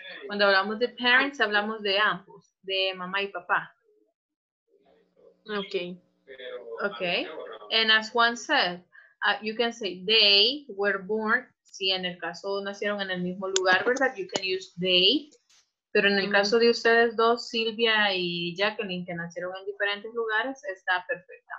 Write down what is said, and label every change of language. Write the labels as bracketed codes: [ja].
[es] Cuando hablamos de parents, hablamos de ambos, de mamá y papá. [en] Okay. Okay. And as Juan said, you can say they were born. [es] Sí, en el caso nacieron en el mismo lugar, ¿verdad? [en] You can use they. [es] Pero en el caso de ustedes dos, Silvia y Jacqueline, que nacieron en diferentes lugares, está perfecta.